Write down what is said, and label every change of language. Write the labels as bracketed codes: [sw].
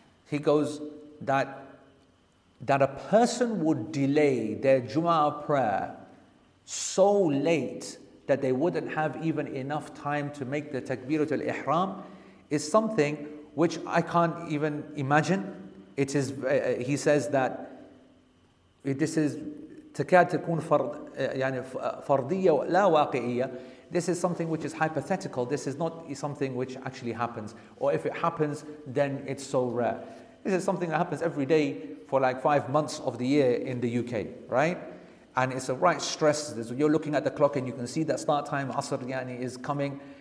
[en] He goes that a person would delay their Jummah prayer so late that they wouldn't have even enough time to make the Takbiratul Ihram is something which I can't even imagine. It is, he says that This is [ar] تكاد تكون فرض يعني فرضية لا واقعية. [en] This is something which is hypothetical. This is not something which actually happens. Or if it happens, then it's so rare. This is something that happens every day for like 5 months of the year in the UK, right? And it's a right stress. You're looking at the clock and you can see that start time, Asr yani, is coming.